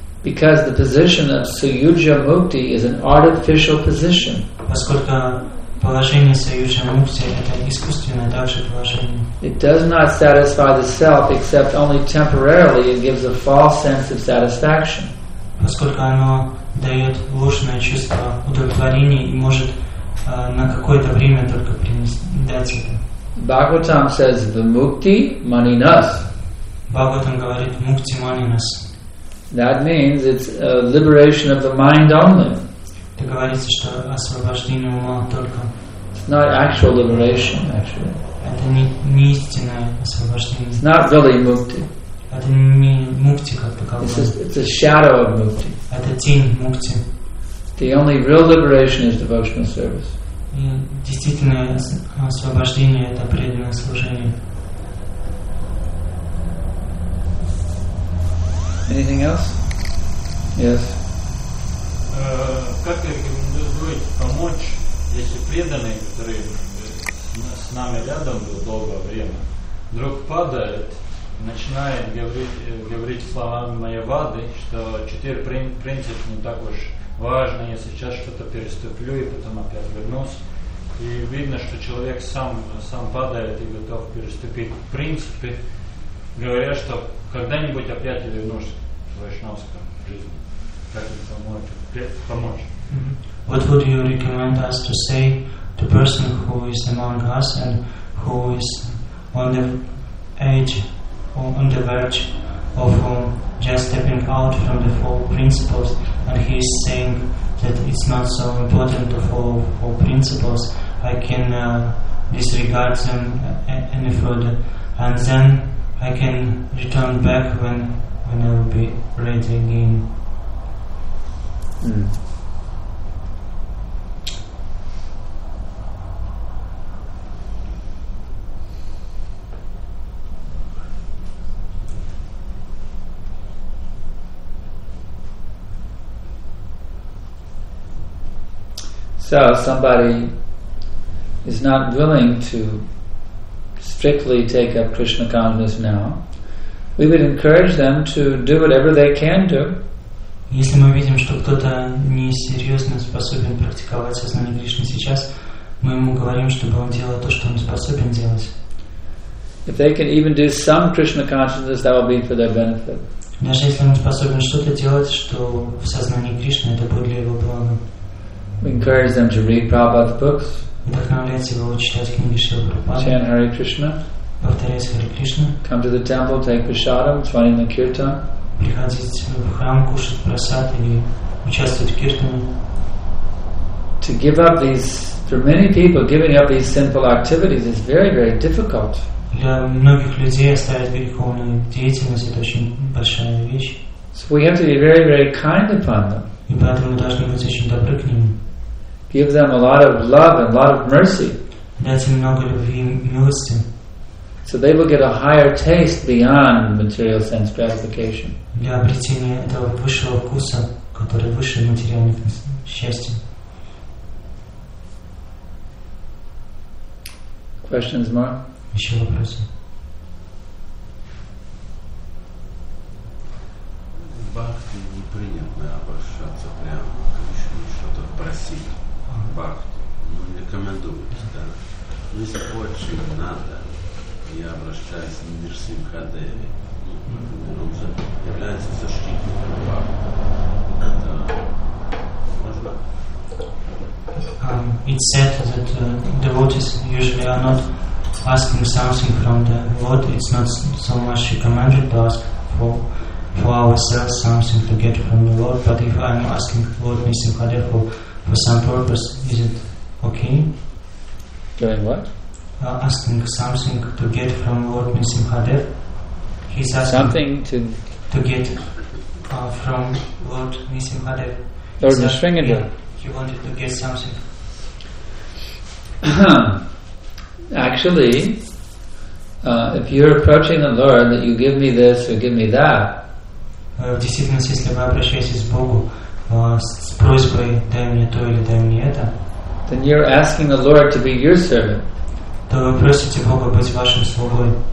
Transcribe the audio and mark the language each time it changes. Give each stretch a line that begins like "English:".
English: Because the position of Suyujya Mukti is an artificial position.
Russian: Положение союза мукти – это искусственное также положение.
English: It does not satisfy the self except only temporarily. It gives a false sense of satisfaction.
Russian: Поскольку оно дает ложное чувство удовлетворения и может на какое-то время только принести дать это.
English: Bhagavatam says the mukti mani nas.
Russian: Bhagavatam говорит мукти мани нас.
English: That means it's a liberation of the mind only.
Russian: Это говорится, что освобождение ума только.
English: It's not actual liberation, actually.
Russian: Это не истинное освобождение.
English: It's not really mukti.
Russian: Это не мукти как таковое.
English: It's a shadow of mukti.
Russian: Это тень мукти.
English: The only real liberation is devotional service.
Russian: И действительное освобождение – это преданное служение.
English: Anything else? Yes.
Russian: Как рекомендуют помочь, если преданный, который с нами рядом был долгое время, вдруг падает, начинает говорить словами Майявады, что четыре принципа не так уж важно, я сейчас что-то переступлю и потом опять вернусь. И видно, что человек сам падает и готов переступить. В принципе, говоря, что когда-нибудь опять вернусь в вайшнавскую жизнь. Как им помочь?
English: What would you recommend us to say to a person who is among us and who is on the edge or on the verge of just stepping out from the four principles, and he is saying that it's not so important to follow four principles, I can disregard them any further, and then I can return back when I will be ready again? So somebody is not willing to strictly take up Krishna consciousness now, we would encourage them to do whatever they can do.
Russian: Если мы видим, что кто-то не серьезно способен практиковать сознание Кришны сейчас, мы ему говорим, чтобы он делал то, что он способен делать.
English: If they can even do some Krishna consciousness, that will be for their benefit.
Russian: Даже если он способен что-то делать, что в сознании Кришны это будет для его блага.
English: We encourage them to read Prabhupada's books.
Russian: Вдохновлять его читать книги Шрилы Прабхупады.
English: Chant Hare Krishna.
Russian: Повторять Hare Krishna.
English: Come to the temple, take prasadam, join in the kirtan.
Russian: Приходить в храм, кушать просад или участвовать в киртане.
English: To give up these, for many people, giving up these simple activities is very, very difficult.
Russian: Для многих людей оставить греховную деятельность — это очень большая вещь.
English: So we have to be very, very kind upon them.
Russian: И поэтому мы должны быть очень добры к ним.
English: Give them a lot of love and a lot of mercy.
Russian: Дать им много любви и милости.
English: So they will get a higher taste beyond material sense gratification.
Russian: Для обретения этого высшего вкуса, который выше материальных счастья.
English: Questions more?
Russian: Еще вопросы? В бхакти не принято обращаться прямо к Кришне, что-то просить. В бхакти не рекомендуется, да. Но если очень надо, я обращаюсь к Нирсимхадеве. Например, он же является защитником бхакти. Это можно?
English: It's said that devotees usually are not asking something from the Lord. It's not so much recommended to ask for ourselves something to get from the Lord. But if I'm asking Lord Nisimhadev for some purpose, is it okay? Doing what? Asking something to get from Lord Nisimhadev. He's asking something to get from Lord Nisimhadev. Lord Nisimhadev. He wanted to get something. Actually, if you're approaching the Lord that you give me this or give me that,
Russian: в действительности, если вы обращаетесь к Богу с просьбой дай мне то или дай мне это,
English: then you're asking the Lord to be your servant.
Russian: То вы просите Бога быть вашим слугой.